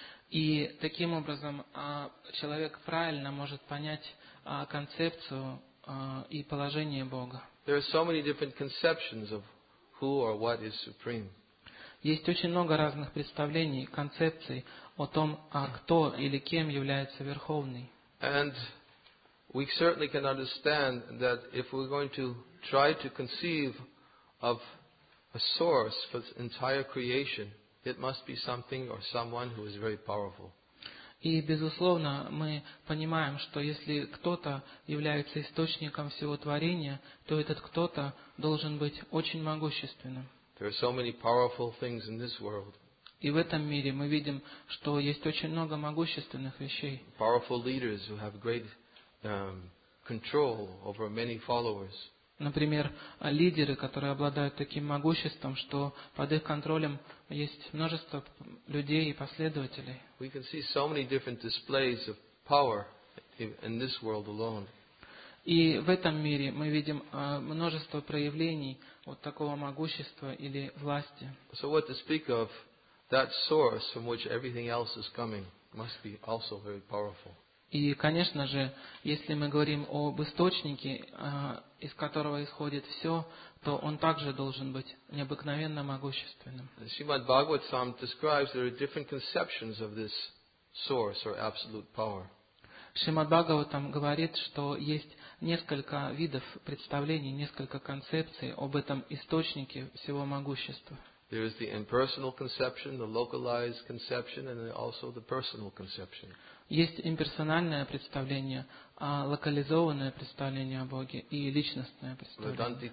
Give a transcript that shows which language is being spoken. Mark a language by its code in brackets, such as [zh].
[ru] И таким образом человек правильно может понять концепцию и положение Бога. [en] There are so many different conceptions of who or what is supreme. [ru] Есть очень много разных представлений, концепций о том, кто или кем является Верховный. [en] And we certainly can understand that if we're going to try to conceive of a source for the entire creation, it must be something or someone who is very powerful. [ru] И безусловно, мы понимаем, что если кто-то является источником всего творения, то этот кто-то должен быть очень могущественным. [en] There are so many powerful things in this world. [ru] И в этом мире мы видим, что есть очень много могущественных вещей. [en] Powerful leaders who have great control over many followers. [ru] Например, лидеры, которые обладают таким могуществом, что под их контролем есть множество людей и последователей. [en] We can see so many different displays of power in this world alone. [ru] И в этом мире мы видим множество проявлений вот такого могущества или власти. [en] So what to speak of that source from which everything else is coming must be also very powerful. [ru] И, конечно же, если мы говорим об источнике, из которого исходит все, то он также должен быть необыкновенно могущественным. [en] Srimad Bhagavatam describes there are different conceptions of this source or absolute power. [ru] Шримад Бхагаватам говорит, что есть несколько видов представлений, несколько концепций об этом источнике всего могущества. [en] There is the impersonal conception, the localized conception, and also the personal conception. [ru] Есть имперсональное представление, локализованное представление о Боге и личностное представление.